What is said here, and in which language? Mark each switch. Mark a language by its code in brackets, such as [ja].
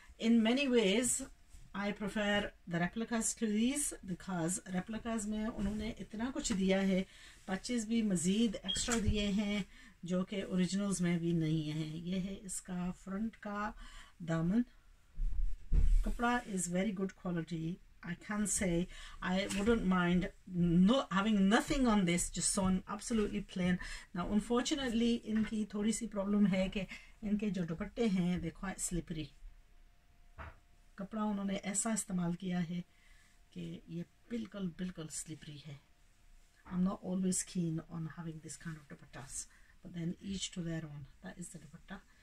[en] in many ways I prefer the replicas to these because replicas [hi] में उन्होंने इतना कुछ दिया है, patches भी मज़ीद extra दिए हैं जो कि originals में भी नहीं हैं। यह है इसका front का दामन। [en] कपड़ा is very good quality. I can say I wouldn't mind having nothing on this, just sewn absolutely plain. Now unfortunately [hi] इनकी थोड़ी सी problem है कि इनके जो दुपट्टे हैं [en] they quite slippery. [hi] कपड़ा उन्होंने ऐसा इस्तेमाल किया है कि ये बिल्कुल बिल्कुल स्लिपरी है। [en] I am not always keen on having this kind of dupattas but then each to their own, that is the dupatta.